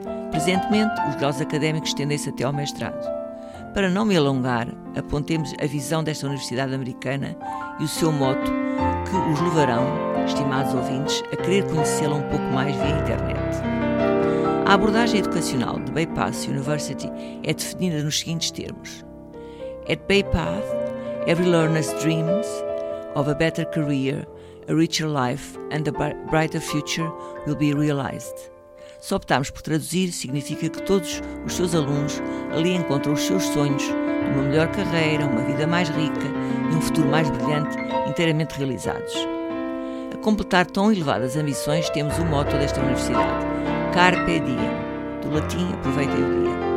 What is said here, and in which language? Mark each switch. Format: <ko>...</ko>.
<pt>Presentemente, os graus académicos estendem-se até ao mestrado. Para não me alongar, apontemos a visão desta universidade americana e o seu moto que os levarão, estimados ouvintes, a querer conhecê-la um pouco mais via internet. A abordagem educacional de Bay Path University é definida nos seguintes termos.</pt> <en>At Bay Path, every learner's dreams of a better career, a richer life and a brighter future will be realized.</en> <pt>Se optarmos por traduzir, significa que todos os seus alunos ali encontram os seus sonhos de uma melhor carreira, uma vida mais rica e um futuro mais brilhante inteiramente realizados. A completar tão elevadas ambições, temos o motto desta universidade: Carpe diem, do latim aproveitem o dia.</pt>